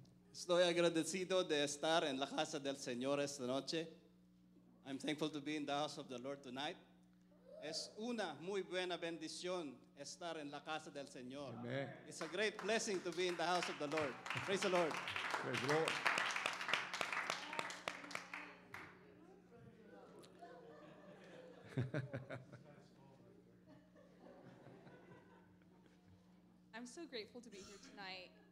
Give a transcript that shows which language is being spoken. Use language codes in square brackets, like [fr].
[es] Estoy agradecido de estar en la casa del Señor esta noche. [en] I'm thankful to be in the house of the Lord tonight. [es] Es una muy buena bendición estar en la casa del Señor. [en] Amen. It's a great blessing to be in the house of the Lord. Praise the Lord. Praise the Lord. I'm so grateful to be here tonight.